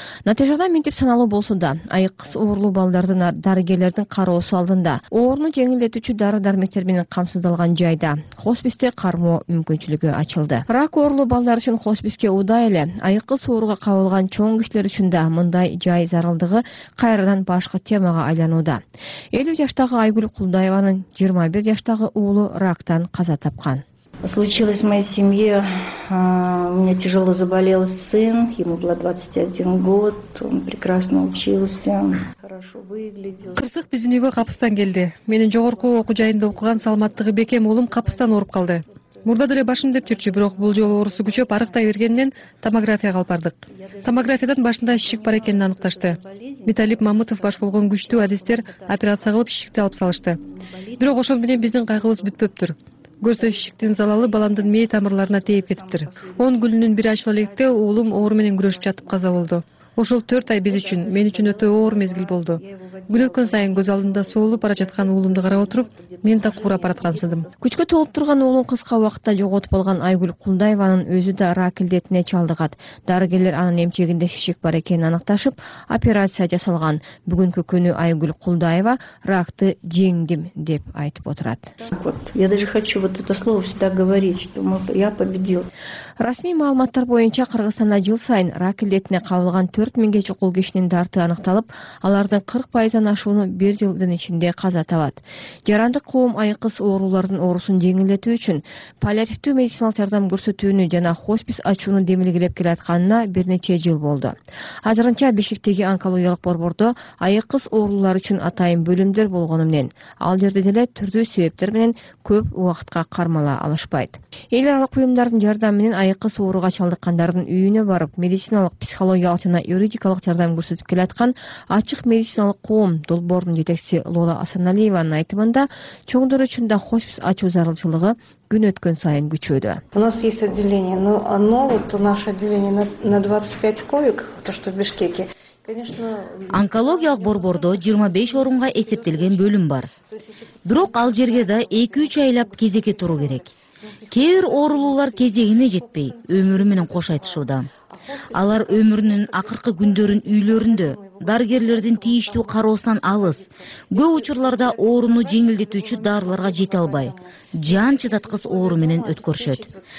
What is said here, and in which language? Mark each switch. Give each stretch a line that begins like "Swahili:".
Kyrgyz: Натыйжада минтип саналуу болсо да, айыккы оорулуу балдардын дарыгерлер кароосу алдында ооруну жеңилдетүүчү дары дармектер менен камсыздалган жайда хосписте кармоо мүмкүнчүлүгү ачылды. Рак оорулуу балдар үчүн хосписке удай эле айыккы сууруга кабылган чоң кишилер үчүн да мындай жай зарылдыгы кайрадан башка темага айланууда. 50 жаштагы Айгүл Кулдаеванын 21 жаштагы уулу рактан каза тапкан.
Russian: Случилось в моей семье, у меня тяжело заболел сын, ему было 21 год, он прекрасно учился, хорошо выглядел.
Kyrgyz: Кырсык биздин үйгө капыстан келди. Менин жогорку окуу жайында окуган саламаттыгы бекем уулум капыстан ооруп калды. Мурда деле башым деп жүрчү, бирок бул жолу оорусу күчөп, арыктай бергенден томографияга алып бардык. Томографиядан башында ишик бар экенин аныкташты. Виталий Мамытов баш болгон күчтүү адистер операция кылып ишикти алып салышты. Бирок ошол менен биздин кайгыбыз бүтпөптүр. Көрсө ишиктин залалы баламдын мээ тамырларына тээп кетиптир. 10 күнүнүн бири ачыла электе уулум оор менен күрөшүп жатып каза болду. Ошол 4 ай биз үчүн, мен үчүн өтө оор мезгил болду. Күн өткөн сайын көз алдымда соолуп бара жаткан уулумду карап отуруп, мен да куура бараткансыдым. Күчкө толуп турган уулун кыска убакытта жоготуп алган Айгүл Кулдаеванын өзү да рак илдетине чалдыгат. Дарыгерлер анын эмчегинде шишик бар экенин аныкташып, операция жасалган. Бүгүнкү күнү Айгүл Кулдаева ракты жеңдим деп айтып отурат.
Russian: Вот я даже хочу вот это слово всегда говорить, что я победил.
Kyrgyz: Расмий маалыматтар боюнча Кыргызстанда жыл сайын рак илдетине кабылган 4000 чукул кишинин дарты аныкталып, алардын 40% ашууну бир жылдын ичинде каза табат. Жарандык коом айыккыс оорулардын оорусун жеңилдетүү үчүн паллиативдүү медициналык жардам көрсөтүүнү жана хоспис ачууну демилгелеп келатканына бир нече жыл болду. Азырынча Бишкектеги онкологиялык борбордо айыккыс оорулар үчүн атайын бөлүмдөр болгону менен ал жерде деле түрдүү себептер менен көп убакытка кармала алышпайт. Эл аралык уюмдардын жардамы менен айыккыс ооруга чалдыккандардын үйүнө барып, медициналык, психологиялык жана юридикалык жардам көрсөтүп келаткан ачык медициналык коом долбоорунун жетекчиси Лола Асаналиеванын айтымында чоңдор үчүн да хоспис ачуу зарылчылыгы күн өткөн сайын күчөдү.
Russian: У нас есть отделение, но оно вот наше отделение на 25 коек, то что в Бишкеке.
Kyrgyz: Онкологиялык борбордо 25 орунга эсептелген бөлүм бар. Бирок ал жерге да 2-3 айлап кезекке туруу керек. Кээ бир оорулуулар кезегине жетпей, өмүрү менен кош айтышууда. Алар өмүрүнүн акыркы күндөрүн үйлөрүндө дарыгерлердин тийиштүү кароосунан алыс, көп учурларда ооруну жеңилдетүүчү дарыларга жете албай, жан чыдаткыс оору менен өткөрүшөт.